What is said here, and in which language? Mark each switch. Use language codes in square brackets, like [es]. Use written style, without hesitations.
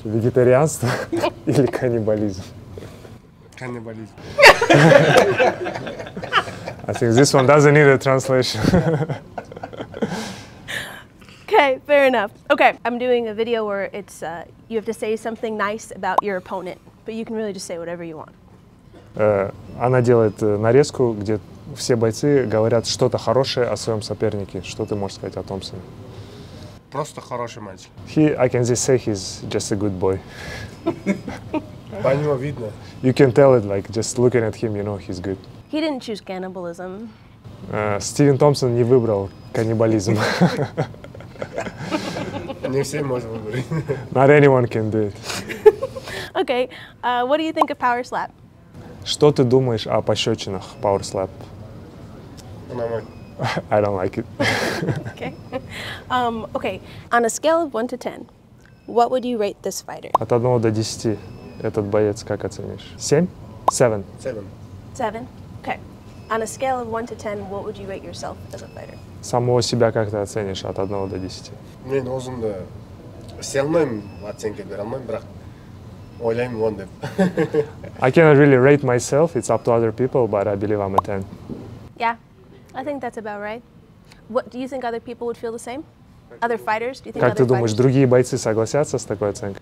[ru] Вегетарианство или каннибализм? Каннибализм. [en] I think this one doesn't need a translation. Okay, fair enough. Okay, I'm doing a video where it's you have to say something nice about your opponent, but you can really just say whatever you want. [ru] Она делает нарезку, где все бойцы говорят что-то хорошее о своем сопернике. Что ты можешь сказать о Томпсоне? Просто хороший мальчик. [en] I can just say he's just a good boy. [ru] По нему видно. [en] You can tell it, like, just looking at him, you know he's good. He didn't choose cannibalism. [ru] Стивен Томпсон не выбрал каннибализм. Не все можем выбрать. [en] Not anyone can do it. Okay, what do you think of power slap? [ru] Что ты думаешь о пощечинах, power slap? [en] I don't like it. Okay. Okay. On a scale of 1 to 10, what would you rate this fighter? [ru] От 1 до 10 этот боец как оценишь? [en] 7? 7. 7. 7? Okay. On a scale of 1 to 10, what would you rate yourself as a fighter? [ru] Самого себя как ты оценишь от 1 до 10? Не, должен да. Сильным оценки беру, но брат. [en] I cannot really rate myself, it's up to other people, but I believe I'm a 10. Yeah, I think that's about right. What do you think other people would feel the same? Other fighters? Do you think [ru] как ты думаешь, другие бойцы согласятся с такой оценкой?